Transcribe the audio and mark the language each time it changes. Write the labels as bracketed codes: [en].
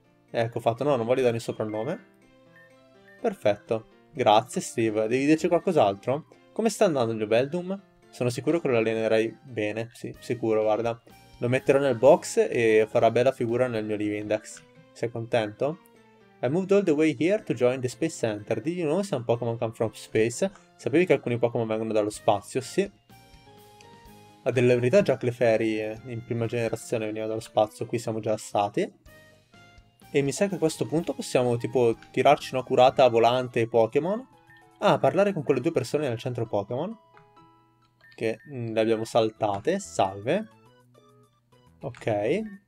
[it] Ecco, fatto. No, non voglio dare il soprannome. Perfetto. Grazie, Steve. Devi dirci qualcos'altro? Come sta andando il Beldum? Sono sicuro che lo allenerai bene. Sì, sicuro, guarda. Lo metterò nel box e farà bella figura nel mio Living Index. Sei contento? [en] I moved all the way here to join the Space Center. Did you know some Pokémon come from space? [it] Sapevi che alcuni Pokémon vengono dallo spazio? Sì. A delle verità, già Clefairy in prima generazione veniva dallo spazio, qui siamo già stati. E mi sa che a questo punto possiamo tipo tirarci una curata a volante ai Pokémon. Ah, parlare con quelle due persone nel centro Pokémon. Che le abbiamo saltate, salve. Ok.